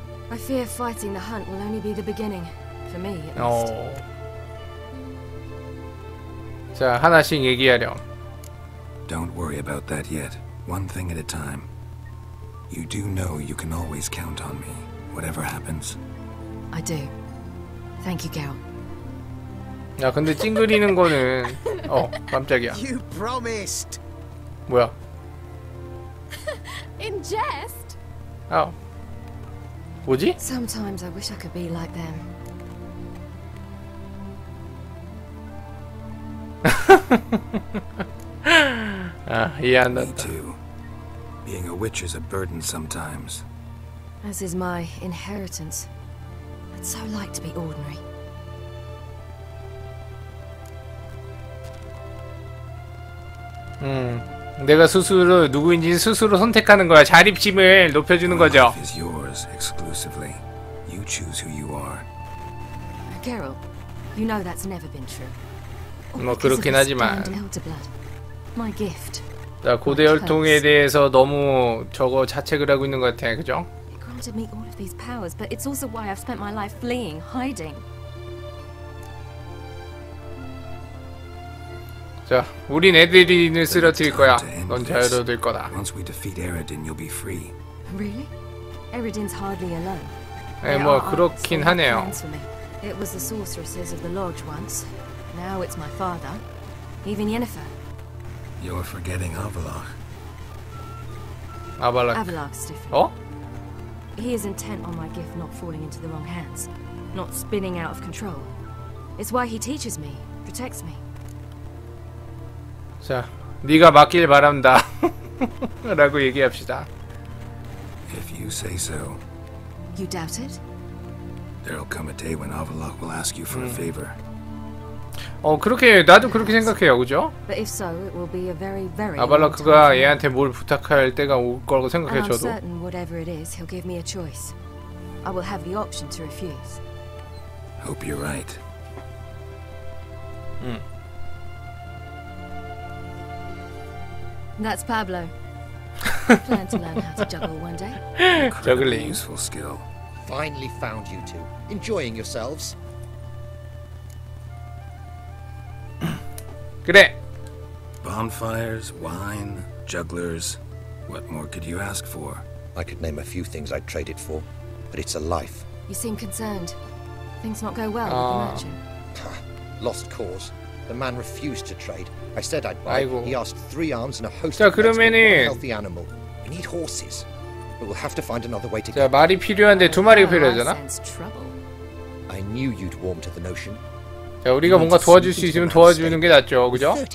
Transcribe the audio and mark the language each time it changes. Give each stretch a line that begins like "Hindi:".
English: I fear fighting the hunt will only be the beginning for me. At least.
Korean: 자, 하나씩 얘기하렴.
English: Don't worry about that yet. One thing at a time. You do know you can always count on me, whatever happens. I do. Thank you, Gail.
Korean: 야, 근데 찡그리는 거는 어, 깜짝이야.
English: You promised.
Korean: 뭐야?
English: In jest.
Korean: 어. 뭐지?
English: Sometimes I wish I could be like them.
Korean: 이해한다.
English: Me too. Being a witch is a burden sometimes. As is my inheritance. I'd so like to be ordinary.
Korean: Hmm. 내가 스스로 누구인지 스스로 선택하는 거야. 자립심을 높여주는 거죠.
English: Life is yours exclusively. You choose who you are. Geralt, you know that's never been true.
Korean: 뭐 그렇긴 하지만.
English: My gift.
Korean: 나 고대 혈통에 대해서 너무 저거 자책을 하고 있는 것 같아, 그죠?
English: It granted me all of these powers, but it's also why I've spent my life fleeing, hiding.
Korean: 자, 우린 에드린을 쓰러뜨릴 거야. 넌 자유로워질 거다.
English: Once we defeat Eredin, you'll be free. Really? Eredin's hardly alone.
Korean: 에, 뭐 그렇긴 하네요.
English: It was the sorceresses of the lodge once. Now it's my father, even Yennefer. You're forgetting Avalok. Avalok. Avalok's different. 어? He is intent on my gift not falling into the wrong hands, not spinning out of control. It's why he teaches me, protects me.
Korean: 자, 네가 맡길 바란다. 라고 얘기합시다.
English: If you say so. You doubt it? There'll come a day when Avalok will ask you for a favor.
Korean: 어, 그렇게 나도 그렇게 생각해요. 그죠?
English: But if so, it will be a very, very
Korean: 아발라크가 얘한테 뭘 부탁할 때가 올 거라고 생각해요, 저도.
English: I'm certain whatever it is, he'll give me a choice. I will have the option to refuse. Hope you're right. That's Pablo. Plan to learn how to juggle one day. Juggling useful skill. Finally found you two. Enjoying yourselves.
Korean: 그래.
English: Bonfires, wine, jugglers. What more could you ask for? I could name a few things I'd trade it for, but it's a life. You seem concerned. Things not go well with the merchant. Lost cause. The man refused to trade. I said I'd buy. 아이고. He asked three arms and a host 자, of pets for a healthy animal. We need horses. But we'll have to find another way to 자, get.
Korean: 자, 말이 필요한데 두 마리가 필요하잖아.
English: I knew you'd warm to the notion.
Korean: 자, 우리가 뭔가 도와줄 수 있으면 도와주는 게 낫죠, 그죠?